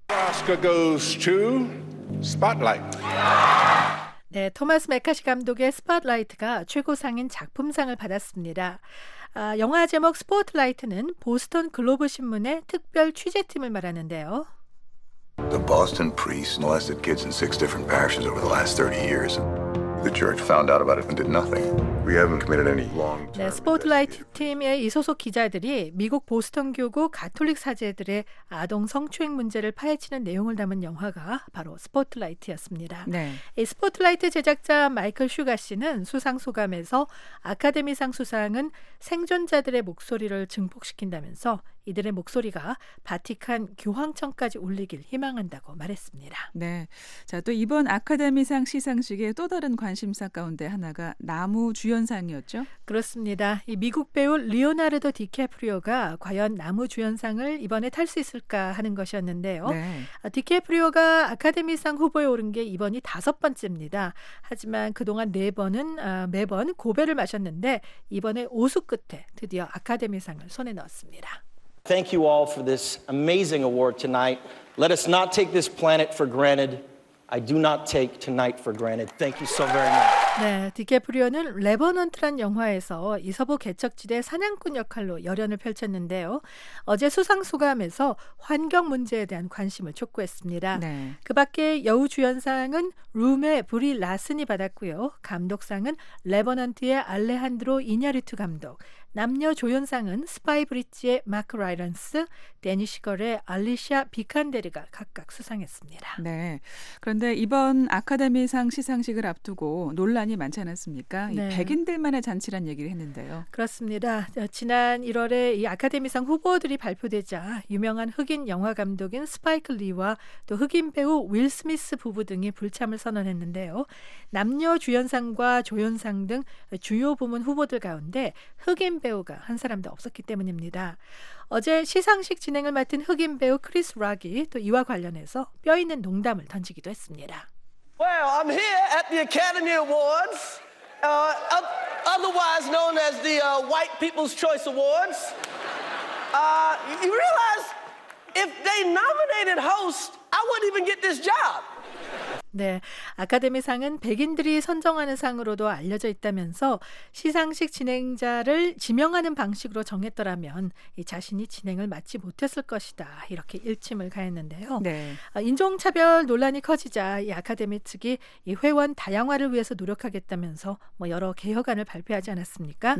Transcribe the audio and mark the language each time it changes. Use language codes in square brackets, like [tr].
[en] Oscar goes to Spotlight. [ko] 네, 토마스 메카시 감독의 스팟라이트가 최고상인 작품상을 받았습니다. 아, 영화 제목 스포트라이트는 보스턴 글로브 신문의 특별 취재팀을 말하는데요. [en] The Boston priest molested kids in six different parishes over the last 30 years. The church found out about it and did nothing. We haven't committed any long-term. [ko] 네, 스포트라이트 팀의 이 소속 기자들이 미국 보스턴 교구 가톨릭 사제들의 아동 성추행 문제를 파헤치는 내용을 담은 영화가 바로 스포트라이트였습니다. 네. 이 스포트라이트 제작자 마이클 슈가 씨는 수상 소감에서 아카데미상 수상은 생존자들의 목소리를 증폭시킨다면서 이들의 목소리가 바티칸 교황청까지 울리길 희망한다고 말했습니다. 네. 자, 또 이번 아카데미상 시상식의 또 다른 관심사 가운데 하나가 나무 주연상이었죠? 그렇습니다. 이 미국 배우 리오나르도 디카프리오가 과연 나무 주연상을 이번에 탈 수 있을까 하는 것이었는데요. 네. 디카프리오가 아카데미상 후보에 오른 게 이번이 다섯 번째입니다. 하지만 그동안 매번 고배를 마셨는데 이번에 오수 끝에 드디어 아카데미상을 손에 넣었습니다. [en] Thank you all for this amazing award tonight. Let us not take this planet for granted. I do not take tonight for granted. Thank you so very much. [ko] 네, 디캐프리오는 레버넌트란 영화에서 이서부 개척지대 사냥꾼 역할로 열연을 펼쳤는데요. 어제 수상 소감에서 환경 문제에 대한 관심을 촉구했습니다. 네. 그 밖에 여우 주연상은 룸의 브리 라슨이 받았고요. 감독상은 레버넌트의 알레한드로 이냐리투 감독, 남녀 조연상은 스파이 브릿지의 마크 라이런스, 데니 시걸의 알리샤 비칸데르가 각각 수상했습니다. 네. 그런데 이번 아카데미상 시상식을 앞두고 논란이 많지 않았습니까? 네. 이 백인들만의 잔치란 얘기를 했는데요. 그렇습니다. 지난 1월에 이 아카데미상 후보들이 발표되자 유명한 흑인 영화 감독인 스파이크 리와 또 흑인 배우 윌 스미스 부부 등이 불참을 선언했는데요. 남녀 주연상과 조연상 등 주요 부문 후보들 가운데 흑인 배우가 한 사람도 없었기 때문입니다. 어제 시상식 진행을 맡은 흑인 배우 크리스 락이 또 이와 관련해서 뼈 있는 농담을 던지기도 했습니다. [en] Well, I'm here at the Academy Awards, otherwise known as the White People's Choice Awards. You realize if they nominated host, I wouldn't even get this job. [ko] 네, 아카데미상은 백인들이 선정하는 상으로도 알려져 있다면서 시상식 진행자를 지명하는 방식으로 정했더라면 자신이 진행을 맡지 못했을 것이다 이렇게 일침을 가했는데요. 네. 인종차별 논란이 커지자 이 아카데미 측이 이 회원 다양화를 위해서 노력하겠다면서 뭐 여러 개혁안을 발표하지 않았습니까?